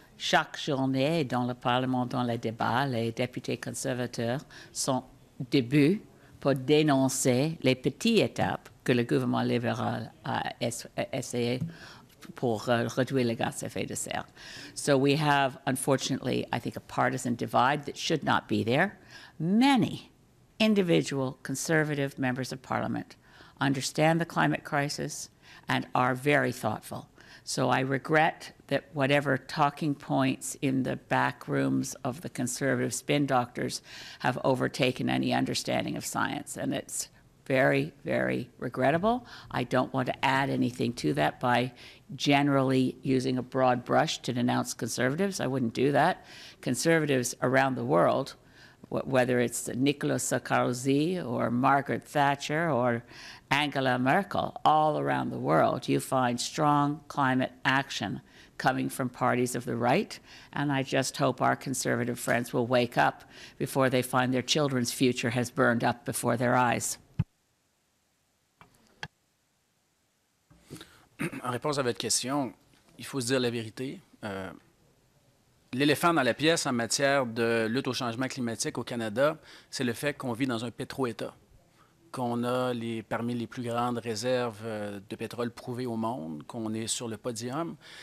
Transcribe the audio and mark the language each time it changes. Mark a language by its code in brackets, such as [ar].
[fr] Chaque journée dans le Parlement, dans les débats, les députés conservateurs sont debout pour dénoncer les petites étapes que le gouvernement libéral a essayé pour réduire les gaz à effet de serre. [en] So we have, unfortunately, I think, a partisan divide that should not be there. Many individual conservative members of parliament understand the climate crisis and are very thoughtful. So I regret that whatever talking points in the back rooms of the conservative spin doctors have overtaken any understanding of science. And it's very, very regrettable. I don't want to add anything to that by generally using a broad brush to denounce conservatives. I wouldn't do that. Conservatives around the world, whether it's Nicolas Sarkozy or Margaret Thatcher or Angela Merkel, all around the world, you find strong climate action coming from parties of the right. And I just hope our conservative friends will wake up before they find their children's future has burned up before their eyes. [fr] En réponse à votre question, il faut se dire la vérité. L'éléphant dans la pièce en matière de lutte au changement climatique au Canada, c'est le fait qu'on vit dans un pétro-État, qu'on a parmi les plus grandes réserves de pétrole prouvées au monde, qu'on est sur le podium.